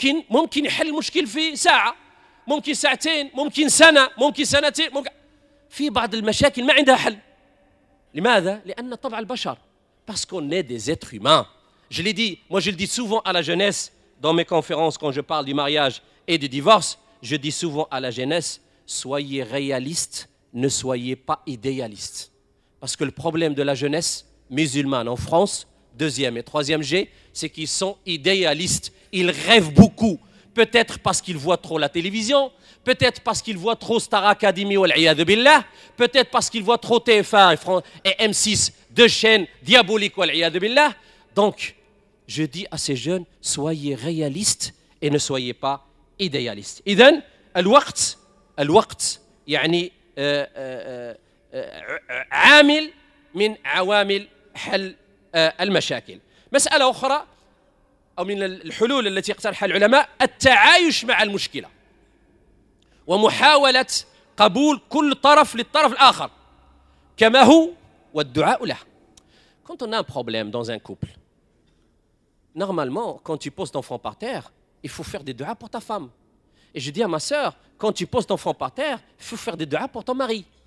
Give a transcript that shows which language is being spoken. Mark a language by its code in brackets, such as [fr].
[ar] ممكن يحل المشكل في ساعة، ممكن ساعتين، ممكن سنة، ممكن سنتين. في بعض المشاكل ما عندها حل. لماذا؟ لأن طبع البشر. [fr] Parce qu'on est des êtres humains. Je l'ai dit, moi je le dis souvent à la jeunesse. Dans mes conférences, quand je parle du mariage et du divorce, je dis souvent à la jeunesse, soyez réaliste, ne soyez pas idéaliste. Parce que le problème de la jeunesse musulmane en France, deuxième et troisième G, c'est qu'ils sont idéalistes. Ils rêvent beaucoup. Peut-être parce qu'ils voient trop la télévision, peut-être parce qu'ils voient trop Star Academy ou l'Iyad Billah, peut-être parce qu'ils voient trop TF1 et M6, deux chaînes diaboliques ou l'Iyad Billah. Donc, je dis à ces jeunes, soyez réalistes et ne soyez pas idéalistes. [ar] Idan, al-waqt, yani, عامل من عوامل حل المشاكل. مسألة أخرى أو من الحلول التي اقترحها العلماء التعايش مع المشكلة ومحاولة قبول كل طرف للطرف الآخر كما هو والدعاء له. [fr] Quand on a un problème dans un couple, normalement quand tu poses ton enfant par terre, il faut faire des dua pour ta femme. Et je dis à ma sœur, quand tu poses ton enfant par terre, il faut faire des dua pour ton mari.